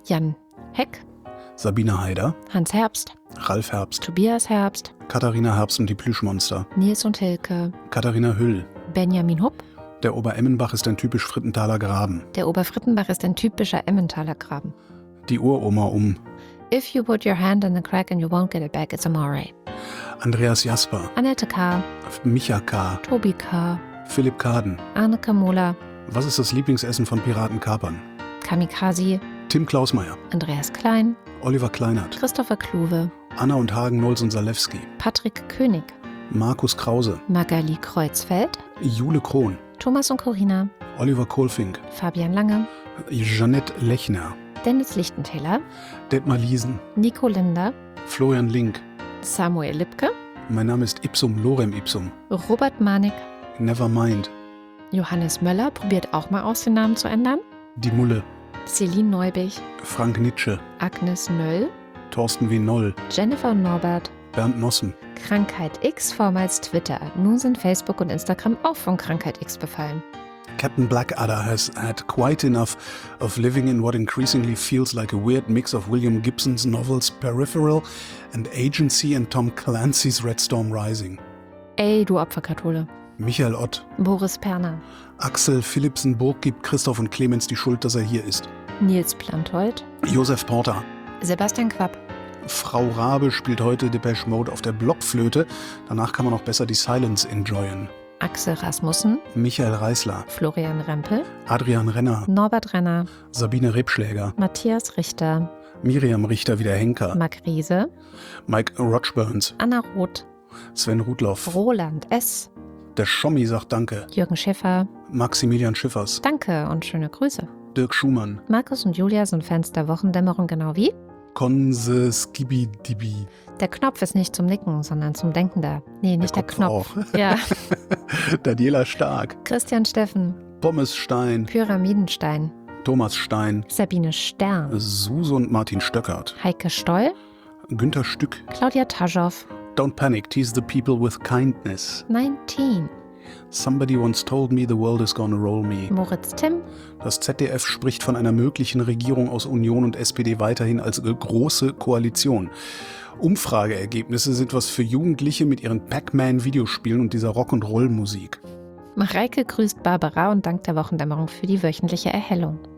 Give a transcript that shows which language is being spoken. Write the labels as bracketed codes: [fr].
[de] Jan Heck. Sabine Heider. Hans Herbst. Ralf Herbst. Tobias Herbst. Katharina Herbst und die Plüschmonster. Nils und Hilke. Katharina Hüll. Benjamin Hupp. Der Oberemmenbach ist ein typisch Frittenthaler Graben. Der Oberfrittenbach ist ein typischer Emmentaler Graben. Die Uroma [en] If you put your hand in the crack and you won't get it back, it's a moray. [de] Andreas Jasper. Annette K. Micha K. Tobi K. Philipp Kaden. Arne Kamola. Was ist das Lieblingsessen von Piraten Kapern? Kamikaze. Tim Klausmeier. Andreas Klein. Oliver Kleinert. Christopher Kluwe. Anna und Hagen Nolson Salewski. Patrick König. Markus Krause. Magali Kreuzfeld. Jule Krohn. Thomas und Corinna. Oliver Kohlfink. Fabian Lange. Jeanette Lechner. Dennis Lichtenthaler. Detmar Liesen. Nico Linder. Florian Link. Samuel Lipke. Mein Name ist Ipsum Lorem Ipsum. Robert Manik. [en] Nevermind. [de] Johannes Möller probiert auch mal aus, den Namen zu ändern. Die Mulle. Celine Neubig. Frank Nitsche. Agnes Nöll. Thorsten W. Noll. Jennifer Norbert. Bernd Nossen. Krankheit X, vormals Twitter. Nun sind Facebook und Instagram auch von Krankheit X befallen. [en] Captain Blackadder has had quite enough of living in what increasingly feels like a weird mix of William Gibson's novels Peripheral and Agency and Tom Clancy's Red Storm Rising. [de] Ey, du Opferkathole. Michael Ott. Boris Perner. Axel Philipsen-Burg gibt Christoph und Clemens die Schuld, dass er hier ist. Nils Plantold. Josef Porter. Sebastian Quapp. Frau Rabe spielt heute Depeche Mode auf der Blockflöte. Danach kann man auch besser die Silence enjoyen. Axel Rasmussen. Michael Reißler. Florian Rempel. Adrian Renner. Norbert Renner. Sabine Rebschläger. Matthias Richter. Miriam Richter wieder Henker. Marc Riese. Mike Rochburns. Anna Roth. Sven Rudloff. Roland S. Der Schommi sagt Danke. Jürgen Schäfer. Maximilian Schiffers. Danke und schöne Grüße. Dirk Schumann. Markus und Julia sind Fans der Wochendämmerung genau wie? Konse Skibi Dibi. Der Knopf ist nicht zum Nicken, sondern zum Denken da. Nee, nicht der Knopf. Ja. Daniela Stark. Christian Steffen. Pommes Stein. Pyramidenstein. Thomas Stein. Sabine Stern. Suse und Martin Stöckert. Heike Stoll. Günther Stück. Claudia Taschow. [en] Don't panic, tease the people with kindness. 19. Somebody once told me the world is gonna roll me. [de] Moritz Timm. Das ZDF spricht von einer möglichen Regierung aus Union und SPD weiterhin als große Koalition. Umfrageergebnisse sind was für Jugendliche mit ihren Pac-Man-Videospielen und dieser Rock'n'Roll-Musik. Mareike grüßt Barbara und dankt der Wochendämmerung für die wöchentliche Erhellung.